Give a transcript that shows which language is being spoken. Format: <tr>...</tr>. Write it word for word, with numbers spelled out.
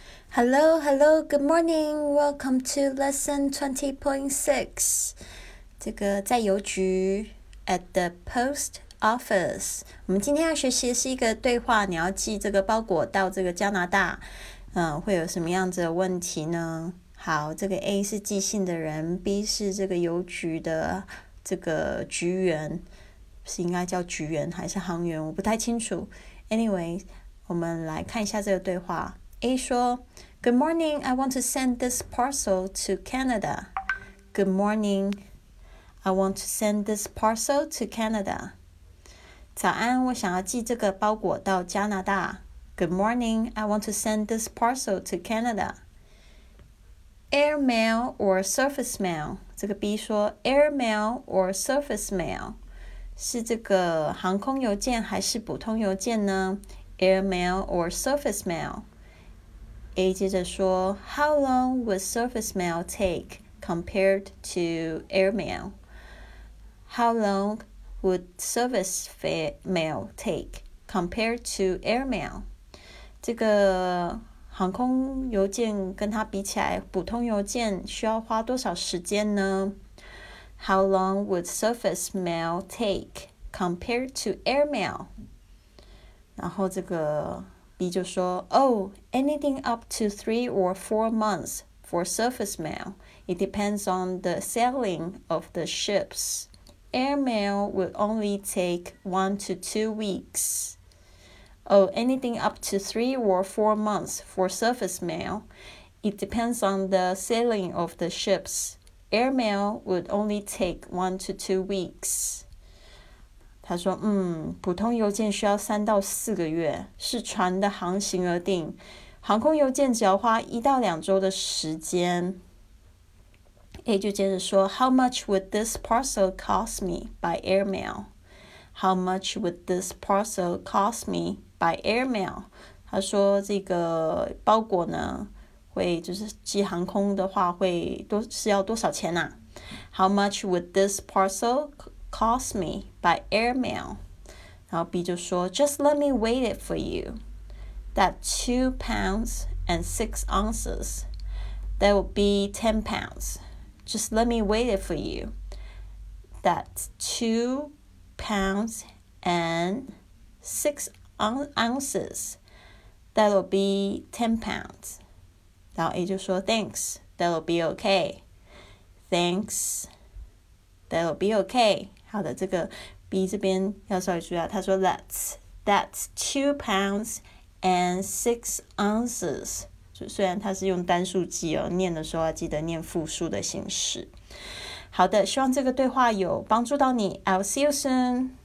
<en>Hello, hello, good morning. Welcome to lesson twenty point six.</en> <zh>这个在邮局</zh> <en>at the post office。</en> <zh>我们今天要学习的是一个对话，你要寄这个包裹到这个加拿大，嗯，会有什么样子的问题呢？好，这个 A 是寄信的人 ，B 是这个邮局的这个局员，是应该叫局员还是行员？我不太清楚。 Anyway， 我们来看一下这个对话。 A 说</zh> <en>Good morning, I want to send this parcel to Canada. Good morning, I want to send this parcel to Canada.</en> <zh>早安，我想要寄这个包裹到加拿大。</zh> <en>Good morning, I want to send this parcel to Canada. Air mail or surface mail?</en> <zh>这个 B 说</zh> <en>Air mail or surface mail?</en> <zh>是这个航空邮件还是普通邮件呢？</zh> <en>Air mail or surface mail?</en> <zh>A 接着说</zh> <en>How long would surface mail take compared to airmail? How long would surface mail take compared to airmail?</en> <zh>这个航空邮件跟它比起来，普通邮件需要花多少时间呢？</zh> <en>How long would surface mail take compared to airmail?</en> <zh>然后这个B 就说</zh> <en>Oh, anything up to three or four months for surface mail. It depends on the sailing of the ships. Airmail will only take one to two weeks. Oh, anything up to three or four months for surface mail. It depends on the sailing of the ships. Airmail would only take one to two weeks.</en> <zh>他说嗯，普通邮件需要三到四个月，是船的航行而定，航空邮件只要花一到两周的时间。 A 就接着说</zh> <en>How much would this parcel cost me by airmail? How much would this parcel cost me by airmail?</en> <zh>他说这个包裹呢，会就是寄航空的话会多是要多少钱啊？</zh> <en>How much would this parcel cost me by airmail?</en> <zh>然后 B 就说</zh> <en>Just let me weigh it for you. That two pounds and six ounces. That would be ten pounds. Just let me weigh it for you. That's two pounds and six ounces. That would be ten pounds.</en> <zh>然后 A 就说</zh> <en>Thanks. That would be okay. Thanks. That would be okay.</en> <zh>好的，这个 B 这边要稍微注意啊。他说</zh> <en>that's that's two pounds and six ounces。</en> <zh>虽然它是用单数记哦，念的时候要记得念复数的形式。好的，希望这个对话有帮助到你。</zh> <en>I'll see you soon.</en>